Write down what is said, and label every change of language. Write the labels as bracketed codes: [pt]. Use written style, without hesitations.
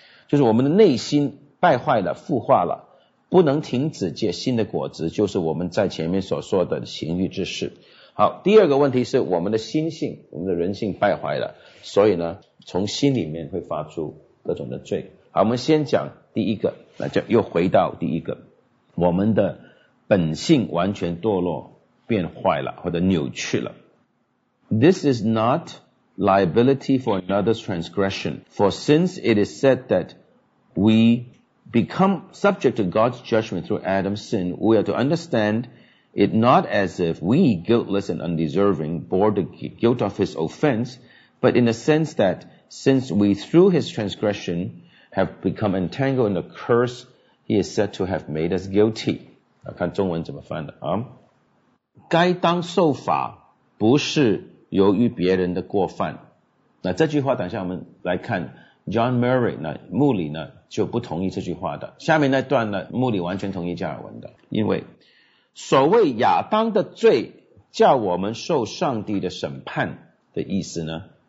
[zh] 就是我们的内心败坏了，腐化了，不能停止结新的果子，就是我们在前面所说的情欲之事。好，第二个问题是我们的心性，我们的人性败坏了，所以呢，从心里面会发出各种的罪。好，我们先讲第一个，那就又回到第一个，我们的本性完全堕落变坏了或者扭曲了。 [en] This is not liability for another's transgression, for since it is said that we become subject to God's judgment through Adam's sin, we are to understand it not as if we, guiltless and undeserving, bore the guilt of his offense, but in the sense that since we through his transgression have become entangled in the curse he is said to have made us guilty. [zh] 看中文怎么翻的啊？该当受罚不是由于别人的过犯。那这句话等下我们来看 John Murray 呢，穆里呢就不同意这句话的。下面那段呢，穆里完全同意加尔文的，因为所谓亚当的罪叫我们受上帝的审判的意思呢，